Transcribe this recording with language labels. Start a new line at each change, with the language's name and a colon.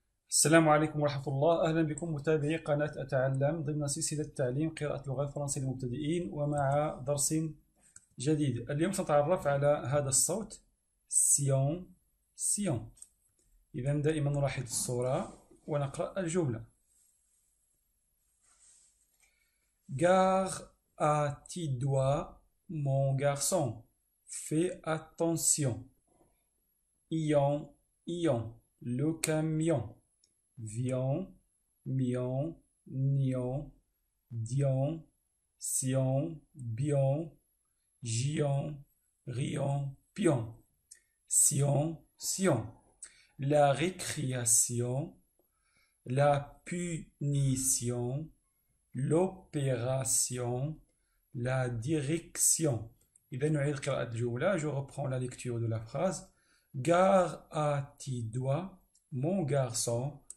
Arabic: السلام عليكم ورحمة الله، أهلا بكم متابعي قناة أتعلم ضمن سلسلة تعليم قراءة اللغة الفرنسية للمبتدئين ومع درس جديد. اليوم سنتعرف على هذا الصوت سيون سيون. إذا دائما نلاحظ الصورة ونقرأ الجملة.
French: Gare à tes doigts mon garçon. Fais attention. Ion ion le camion. Vion, mion, nion, dion, sion, bion, gion, rion, pion, sion, sion. La récréation, la punition, l'opération, la direction. Je reprends la lecture de la phrase. Gare à tes doigts, mon garçon.